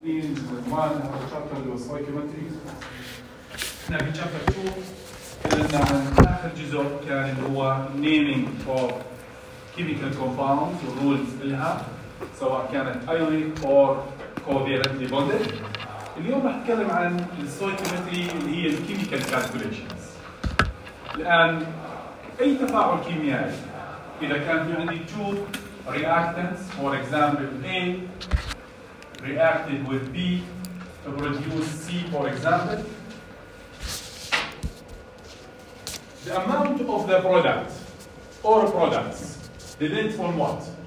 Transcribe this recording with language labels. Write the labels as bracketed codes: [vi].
[en] in one of the chapter of psychometry. Now in chapter 2, [ar] آخر جزء كان اللي هو [en] naming for chemical compounds or rules [ar] لها سواء كانت [en] ionic or covalently bonded. [ar] اليوم راح نتكلم عن الستويكيومتري اللي هي الكيميكال كالكوليشنز. الآن أي تفاعل كيميائي إذا كان في عندي [en] two reactants for example A reacted with B to produce C for example, the amount of the product or products depends on what?